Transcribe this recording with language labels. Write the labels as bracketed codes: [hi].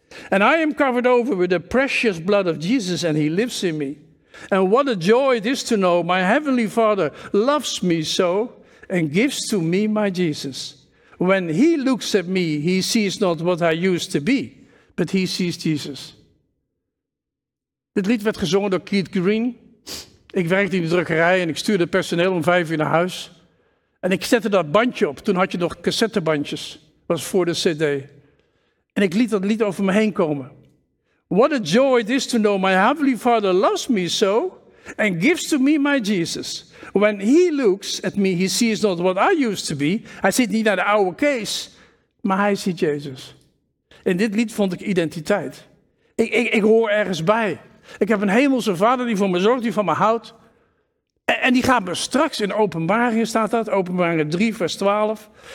[en] And I am covered over with the precious blood of Jesus and he lives in me. And what a joy it is to know my heavenly Father loves me so. And gives to me my Jesus. When he looks at me, he sees not what I used to be, but he sees Jesus. [nl] Dit lied werd gezongen door Keith Green. Ik werkte in de drukkerij en ik stuurde het personeel om 5 uur naar huis. En ik zette dat bandje op. Toen had je nog cassettebandjes. Dat was voor de CD. En ik liet dat lied over me heen komen. [en] What a joy it is to know my heavenly Father loves me so. And gives to me my Jesus. When he looks at me, he sees not what I used to be. [nl] Hij ziet niet naar de oude Kees, maar hij ziet Jezus. In dit lied vond ik identiteit. Ik hoor ergens bij. Ik heb een hemelse vader die voor me zorgt, die van me houdt. En die gaat me straks in Openbaringen, staat dat, Openbaringen 3 vers 12.